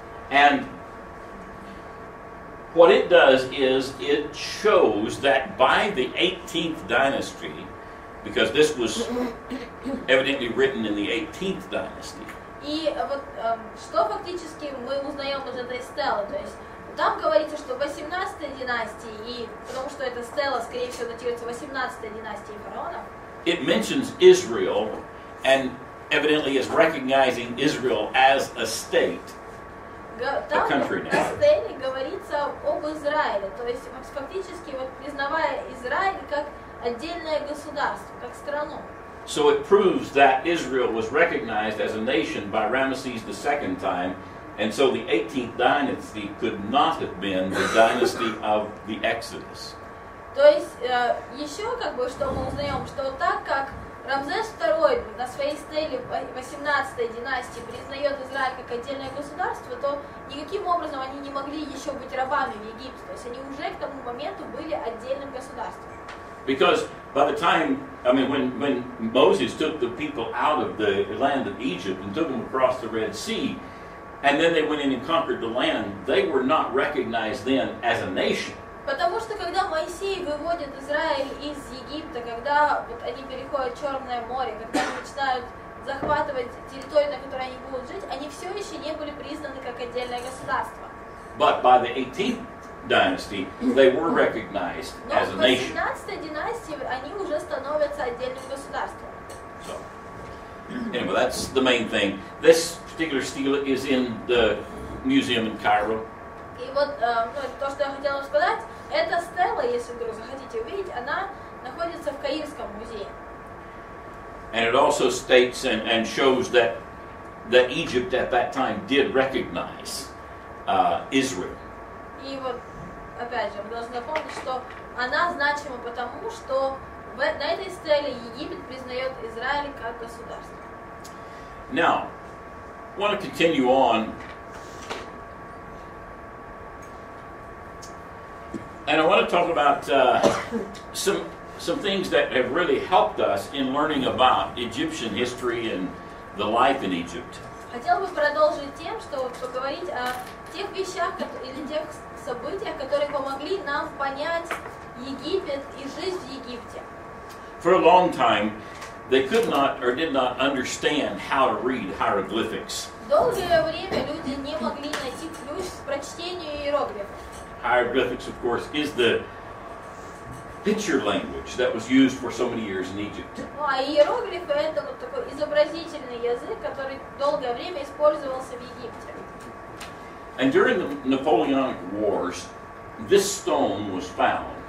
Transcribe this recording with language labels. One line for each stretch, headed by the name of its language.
English: And what it does is it shows that by the 18th dynasty, because this was evidently written in the 18th dynasty.
Russian: И вот что фактически мы узнаем из этой стелы, то есть там говорится, что 18 династии, и потому что эта стела, скорее всего, датируется 18 династии фараонов.
English: It mentions Israel, and evidently is recognizing Israel as a state.
Russian: Там в стеле говорится об Израиле, то есть фактически вот признавая Израиль как отдельное государство, как страну.
English: So it proves that Israel was recognized as a nation by Ramesses the second time, and so the 18th dynasty could not have been the dynasty of the Exodus.
Russian: То есть еще как бы что мы узнаем, что так как Рамзес II на своей стеле 18-й династии признает Израиль как отдельное государство, то никаким образом они не могли еще быть рабами в Египте. То есть они уже к тому моменту были отдельным государством.
English: Because by the time, I mean, when Moses took the people out of the land of Egypt and took them across the Red Sea, and then they went in and conquered the land, they were not recognized then as a nation.
Russian: Потому что когда Моисей выводит Израиль из Египта, когда вот они переходят Черное море, когда они начинают захватывать территорию, на которой они будут жить, они все еще не были признаны как отдельное государство.
English: But by the 18th dynasty, they were recognized as a nation.
Russian: Но в 18-й династии они уже становятся отдельным государством.
English: So, anyway, that's the main thing. This particular stele is in the museum in Cairo.
Russian: И вот ну, то, что я хотела сказать, эта стела, если вдруг захотите увидеть, она находится в Каирском музее.
English: And it also states and shows that Egypt at that time did recognize Israel.
Russian: И вот, опять же, мы должны напомнить, что она значима потому, что на этой стеле Египет признает Израиль как государство.
English: Now, I want to continue on. And I want to talk about some things that have really helped us in learning about Egyptian history and the life in Egypt.
Russian: Хотел бы продолжить тем, что поговорить о тех вещах или тех событиях, которые помогли нам понять Египет и жизнь в Египте.
English: For a long time, they could not or did not understand how to read hieroglyphics.
Russian: Долгое время люди не могли найти ключ к прочтению иероглифов.
English: Hieroglyphics, of course, is the picture language that was used for so many years in Egypt.
Russian: Иероглифы — это вот такой изобразительный язык, который долгое время использовался в Египте.
English: And during the Napoleonic Wars, this stone was found.